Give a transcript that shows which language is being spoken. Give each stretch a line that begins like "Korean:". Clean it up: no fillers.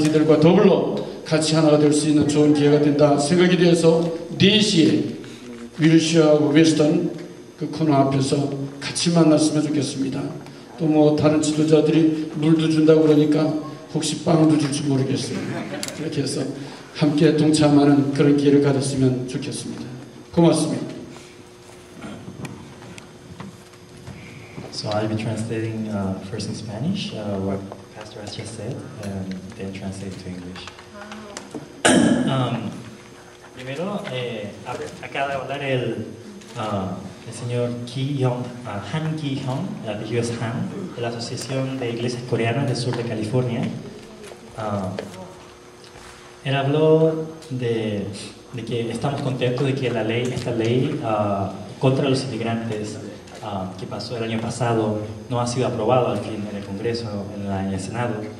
Korean: 마이너리티들과 더불어 같이 하나가 될 수 있는 좋은 기회가 된다 생각이 돼서 4시에 윌쇼하고 웨스턴 그 코너 앞에서 같이 만났으면 좋겠습니다. 또 뭐 다른 지도자들이 물도 준다고 그러니까 혹시 빵도 줄지 모르겠어요. 이렇게 해서 함께 동참하는 그런 기회를 가졌으면 좋겠습니다. 고맙습니다.
English: So I'll be translating first in Spanish what Pastor has just said and then translate to English.
Spanish: Primero, acaba de hablar el señor Ki Hyung, Han Ki Hyung, el apellido es Han, de la Asociación de Iglesias Coreanas del Sur de California. Él habló de que estamos contentos de que la ley, esta ley contra los inmigrantes que pasó el año pasado no ha sido aprobado al fin en el Congreso, en el Senado,